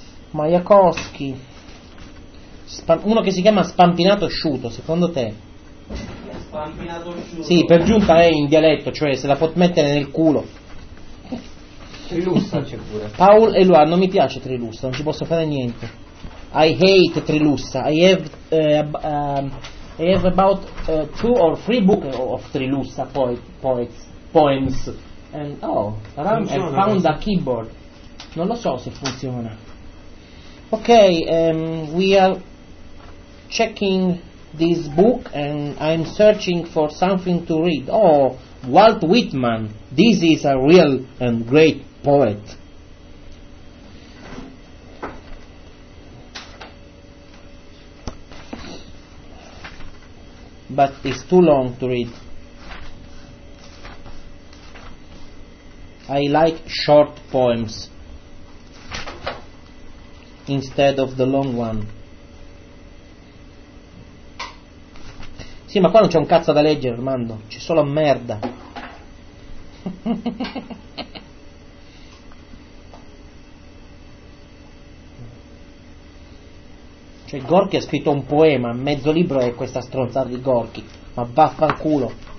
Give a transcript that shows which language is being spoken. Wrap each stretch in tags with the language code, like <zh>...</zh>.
<it>Majakowski. Uno che si chiama Spampinato Sciuto, secondo te? Spampinato Sciuto? Sì, per giunta è in dialetto, cioè se la può mettere nel culo. Trilussa c'è pure. Paul e Luan, non mi piace Trilussa, non ci posso fare niente.</it> <en>I hate Trilussa. I have about two or three books of Trilussa poems. And oh, Ram has found a keyboard.</en> <it>Non lo so se funziona.</it> <en>Ok, we are checking this book and I'm searching for something to read. Oh, Walt Whitman. This is a real and great poet. But it's too long to read. I like short poems instead of the long one.</en> <it>Sì, ma qua non c'è un cazzo da leggere, Armando. C'è solo merda. Cioè, Gorky ha scritto un poema. Mezzo libro è questa stronzata di Gorky. Ma vaffanculo.</it>